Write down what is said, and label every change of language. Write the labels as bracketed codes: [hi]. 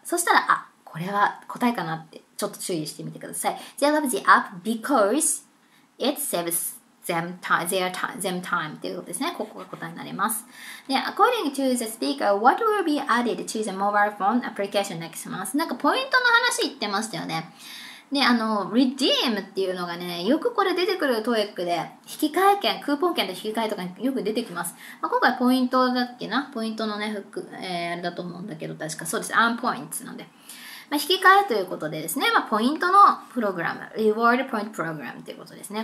[ja] そしたら、あ、これは答えかなって、ちょっと注意してみてください。 [en] They love the app because it saves time. [ja] them time っていうことですね。ここが答えになります。 [en] で、according to the speaker, what will be added to the mobile phone application next month? [ja] なんかポイントの話言ってましたよね。で、redeem っていうのがね、よくこれ出てくる TOEIC で、引き換え券、クーポン券と引き換えとかによく出てきます。まあ、今回ポイントだっけな、ポイントのね、フック、あれだと思うんだけど、確かそうです。 earn points なんで。まあ、引き換えということでですね、まあ、ポイントのプログラム、reward point program ということですね。